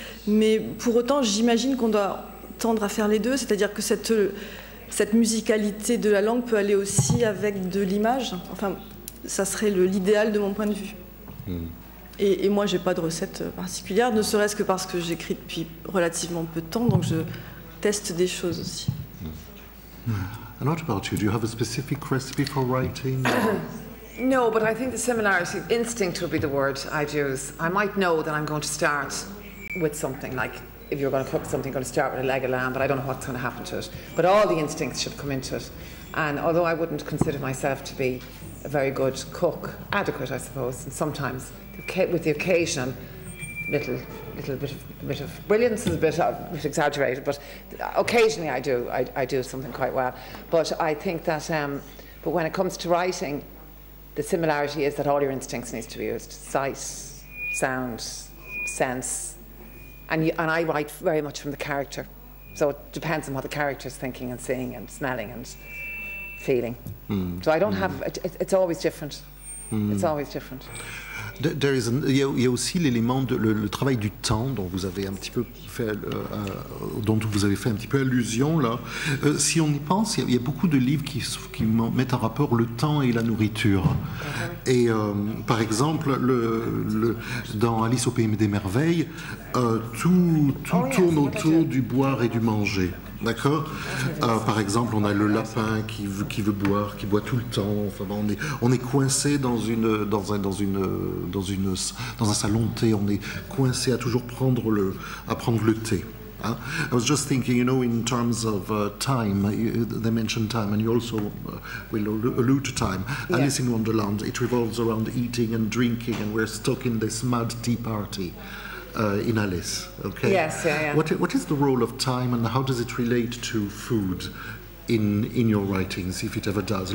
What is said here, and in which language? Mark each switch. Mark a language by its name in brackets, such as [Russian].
[French] Mais pour autant, j'imagine qu'on doit tendre à faire les deux, c'est-à-dire que cette musicalité de la langue peut aller aussi avec de l'image. Enfin, ça serait l'idéal de mon point de vue. Et moi, je n'ai pas de recette particulière, ne serait-ce que parce que j'écris depuis relativement peu de temps, donc je teste des choses aussi. [English] And what about you? Do you have a specific recipe for writing? No, but I think the similarity, instinct would be the word I'd use. I might know that I'm going to start with something, like if you're going to cook something, you're going to start with a leg of lamb, but I don't know what's going to happen to it. But all the instincts should come into it. And although I wouldn't consider myself to be a very good cook, adequate, I suppose, and sometimes... with the occasion, little bit of brilliance is a bit exaggerated, but occasionally I do something quite well. But I think that but when it comes to writing, the similarity is that all your instincts need to be used: sight, sound, sense, and I write very much from the character, so it depends on what the character is thinking and seeing and smelling and feeling. So I don't have it's always different. It's always different. [French] Il y a aussi l'élément de le travail du temps dont vous avez un petit peu fait dont vous avez fait un petit peu allusion là. Si on y pense, il y a beaucoup de livres qui mettent en rapport le temps et la nourriture. Et par exemple, dans Alice au pays des merveilles, tout tourne autour du boire et du manger. D'accord. Par exemple, on a le lapin qui veut boire, qui boit tout le temps. Enfin, on est coincé dans un salon de thé. On est coincé à toujours prendre le thé. Hein? [English] I was just thinking, you know, in terms of time, they mentioned time, and you also will allude to time. Yeah. Alice in Wonderland. It revolves around eating and drinking, and we're stuck in this mad tea party. In Alice, okay. Yes, yeah, yeah. What is the role of time, and how does it relate to food, in your writings, if it ever does?